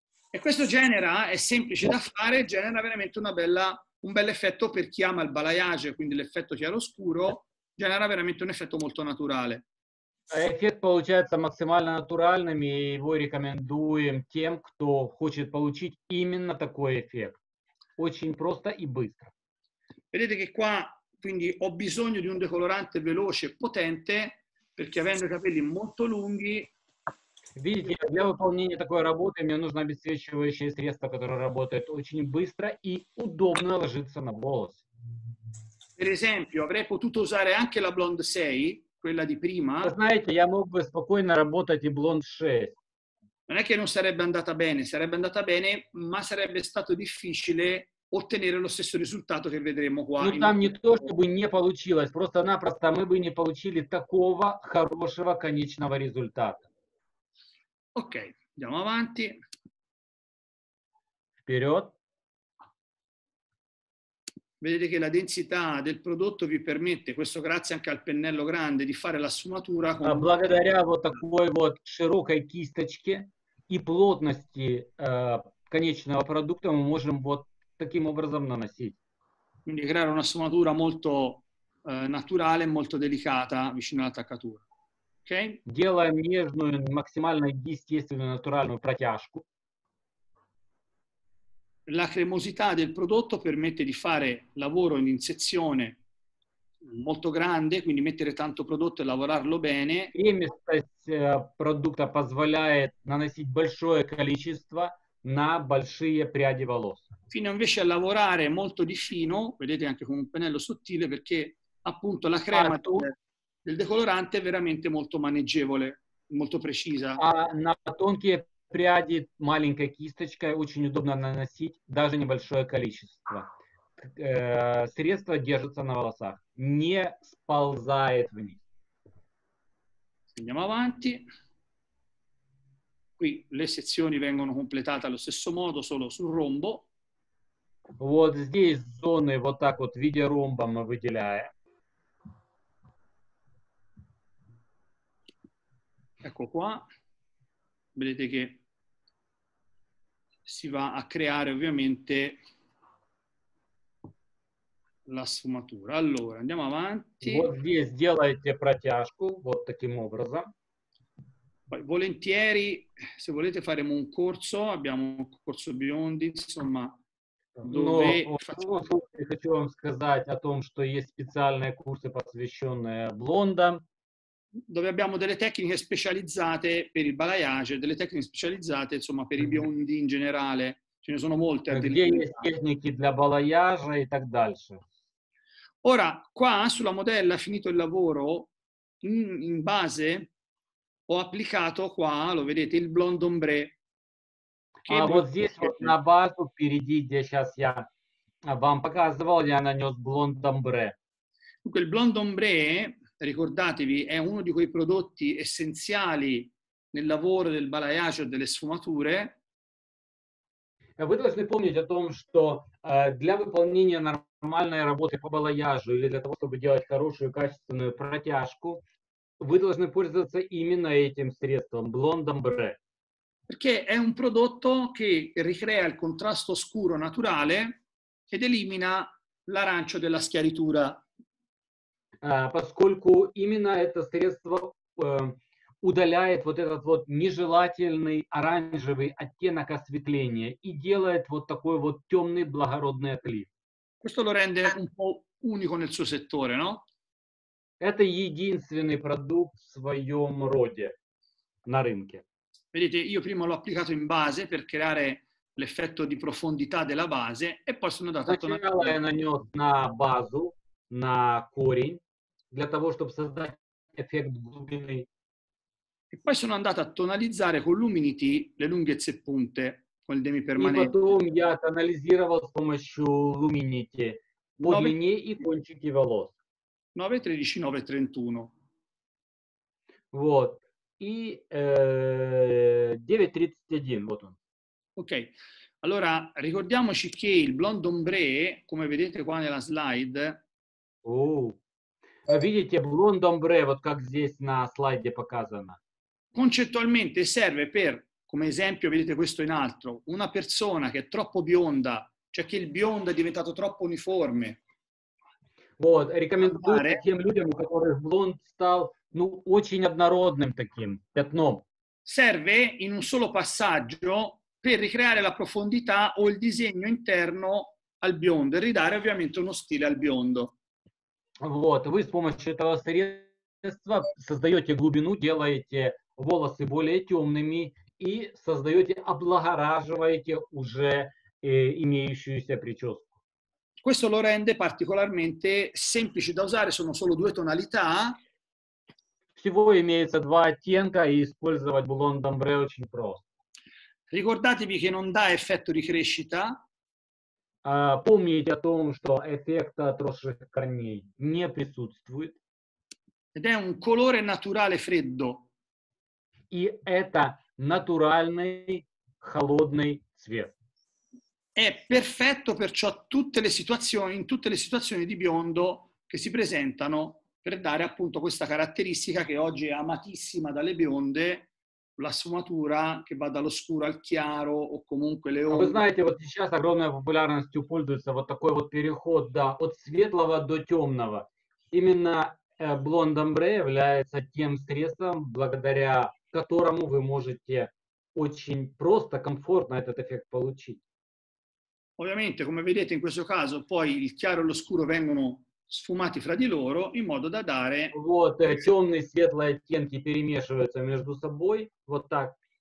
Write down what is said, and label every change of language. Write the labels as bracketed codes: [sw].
[it] E questo genera, è semplice da fare, genera veramente un bel effetto per chi ama il balayage, quindi l'effetto chiaroscuro. Genera veramente un effetto molto naturale. [ru] Эффект получается максимально натуральным, и его рекомендуем тем, кто хочет получить именно такой эффект. Очень просто и быстро. [it] Vedete che qua, quindi, ho bisogno di un decolorante veloce e potente, perché avendo i capelli molto lunghi. [ru] Видите, для выполнения такой работы мне нужно обесцвечивающее средство, которое работает очень быстро и удобно ложится на волосы. [it] Per esempio, avrei potuto usare anche la Blonde 6, quella di prima. [ru] Знаете, я мог бы спокойно работать и Blonde 6. [it] Non è che non sarebbe andata bene, ma sarebbe stato difficile ottenere lo stesso risultato che vedremo qua. [ru] Ну там не то, чтобы не получилось, просто-напросто мы бы не получили такого хорошего конечного результата. [it] Ok, andiamo avanti. [ru] Вперед. [it] Vedete che la densità del prodotto vi permette, questo grazie anche al pennello grande, di fare la sfumatura con... [ru] Благодаря вот такой вот широкой кисточке и плотности конечного продукта мы можем вот таким образом наносить. [it] Quindi creare una sfumatura molto naturale, molto delicata vicino all'attaccatura. Ok? [ru] Делаем нежную, максимально естественную, натуральную протяжку. [it] La cremosità del prodotto permette di fare lavoro in sezione molto grande, quindi mettere tanto prodotto e lavorarlo bene. Cremosità prodotto [ru] позволяє наносить большое количество на большие пряди волос. [it] Fino invece a lavorare molto di fino, vedete anche con un pennello sottile, perché appunto la crema del decolorante è veramente molto maneggevole, molto precisa. [ru] На тонкие пряди маленькой кисточкой очень удобно наносить даже небольшое количество. Средство держится на волосах, не сползает вниз. [it] Andiamo avanti. Qui le sezioni vengono completate allo stesso modo, solo sul rombo. [ru] Вот здесь зоны вот так вот в виде ромба мы выделяем. [it] Ecco qua. Vedete che si va a creare ovviamente la sfumatura. Allora, andiamo avanti. [ru] Вот здесь делаете протяжку вот таким образом. [it] Poi, volentieri, se volete faremo un corso, abbiamo un corso Biondi, insomma, dove [ru] хочу вам сказать о том, что есть специальные курсы, посвящённые блондам. [it] Dove abbiamo delle tecniche specializzate per il balayage, delle tecniche specializzate, insomma, per i biondi in generale. Ce ne sono molte. Tecniche per balayage e [ru] так далее. [it] Ora, qua sulla modella, finito il lavoro, in base, ho applicato qua, lo vedete, il blond ombre. Che [ru] вот здесь, вот на базу, впереди, где сейчас я вам показывал, я нанес блонд омбре. [it] Dunque, il blond ombre... Ricordatevi, è uno di quei prodotti essenziali nel lavoro del balayage o delle sfumature. Voi dovete ricordare [ru] o том, что для выполнения нормальной работы по балаяжу или для того, чтобы делать хорошую качественную протяжку, вы должны пользоваться именно этим средством, Blond Ombre. [it] Perché è un prodotto che ricrea il contrasto scuro naturale ed elimina l'arancio della schiaritura. [ru] Поскольку именно это средство удаляет вот этот вот нежелательный оранжевый оттенок осветления и делает вот такой вот темный благородный отлив. [it] Questo lo rende un po' unico nel suo settore, no? [ru] Это единственный продукт в своем роде на рынке. [it] Vedete, io prima l'ho applicato in base per creare l'effetto di profondità della base e poi sono andato [ru] a нанес на базу, на корень. Для того, чтобы создать эффект глубины. [it] E poi sono andato a tonalizzare con luminiti le lunghezze punte con il demi permanente. [ru] И потом я тоналізировав с помощью luminiti по длине и кончики волос. 9, 13, 9, 31. Вот. И 9.31, вот он. Окей. [it] Allora, ricordiamoci che il blond ombre, come vedete qua nella slide. [ru] Видите, блонд омбре, вот как здесь на слайде показано. Концептуально [it] serve per, come esempio, vedete questo in altro, una persona che è troppo bionda, cioè che il biondo è diventato troppo uniforme. [ru] Вот, рекомендую тем людям, у которых блонд стал, ну, очень однородным таким пятном. [it] Serve in un solo passaggio per ricreare la profondità o il disegno interno al biondo e ridare ovviamente uno stile al biondo. [ru] Вот, вы с помощью этого средства создаете глубину, делаете волосы более темными и создаете, облагораживаете уже имеющуюся прическу. [it] Questo lo rende particolarmente semplice da usare, sono solo due tonalità. [ru] Всего имеется два оттенка и использовать Blond Ombre очень просто. [it] Ricordatevi che non dà effetto di crescita. [ru] помнить о том, что эффекта от росших корней не присутствует. [it] Ed è un colore naturale freddo. [ru] И это натуральный холодный цвет. [it] È perfetto perciò in tutte le situazioni di biondo che si presentano per dare appunto questa caratteristica che oggi è amatissima dalle bionde, la sfumatura che va dallo scuro al chiaro o comunque le onde. [ru] Вы знаете, вот сейчас огромной популярностью пользуется вот такой вот переход, да, от светлого до темного. Именно Blonde Ombre является тем средством, благодаря которому вы можете очень просто, комфортно этот эффект получить. [it] Ovviamente, come vedete in questo caso, poi il chiaro e lo scuro vengono sfumati fra di loro in modo da dare. [ru] Вот, темные и светлые оттенки перемешиваются между собой, вот так.